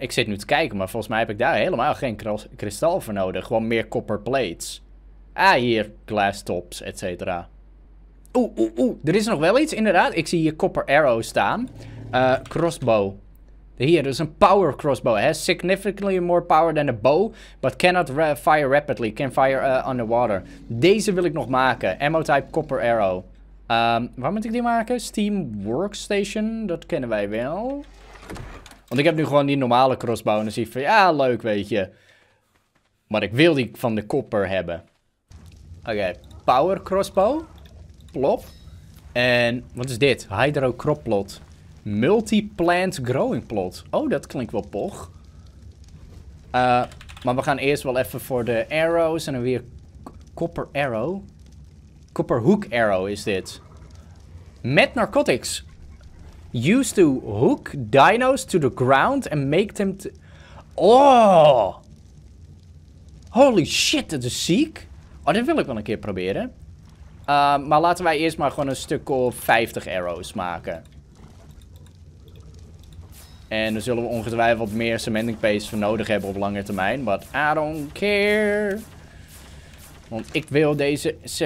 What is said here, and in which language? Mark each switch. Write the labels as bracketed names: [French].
[Dutch] Ik zit nu te kijken, maar volgens mij heb ik daar helemaal geen kristal voor nodig. Gewoon meer copper plates. Ah, hier. Glass tops, et cetera. Oeh. Er is nog wel iets, inderdaad. Ik zie hier copper arrows staan. Crossbow. Hier, dus een power crossbow. [English] Has significantly more power than a bow, but cannot fire rapidly. Can fire underwater. [Dutch] Deze wil ik nog maken. Ammo type copper arrow. Waar moet ik die maken? Steam workstation. Dat kennen wij wel. Want ik heb nu gewoon die normale crossbow. En dan zie ik van, ja, leuk, weet je. Maar ik wil die van de copper hebben. Oké, power crossbow. Plop. En wat is dit? [English] Hydro crop plot. Multi-plant growing plot. [Dutch] Oh, dat klinkt wel poch. Maar we gaan eerst wel even voor de arrows. En dan weer copper arrow. Copper hook arrow is dit. Met narcotics. [English] Used to hook dinos to the ground and make them... [Dutch] Oh! Holy shit, dat is ziek. Oh, dat wil ik wel een keer proberen. Maar laten wij eerst maar gewoon een stuk of 50 arrows maken. En dan zullen we ongetwijfeld meer cementing paste voor nodig hebben op lange termijn. [English] But I don't care. [Dutch] Want ik wil deze...